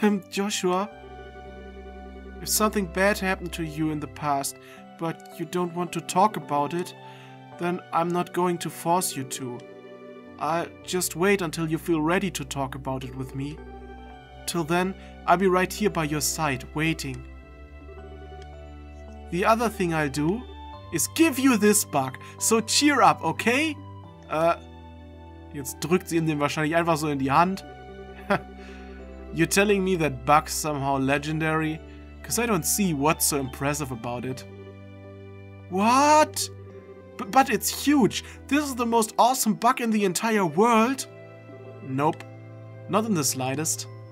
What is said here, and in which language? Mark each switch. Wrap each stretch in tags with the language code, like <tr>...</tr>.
<en>Joshua, if something bad happened to you in the past, but you don't want to talk about it, then I'm not going to force you to. I'll just wait until you feel ready to talk about it with me. Till then, I'll be right here by your side, waiting. The other thing I'll do is give you this bug, so cheer up, okay?</en> <de>Jetzt drückt sie ihm den wahrscheinlich einfach so in die Hand.</de> <en>You're telling me that bug's somehow legendary? Cause I don't see what's so impressive about it. What? But it's huge! This is the most awesome bug in the entire world! Nope. Not in the slightest.</en>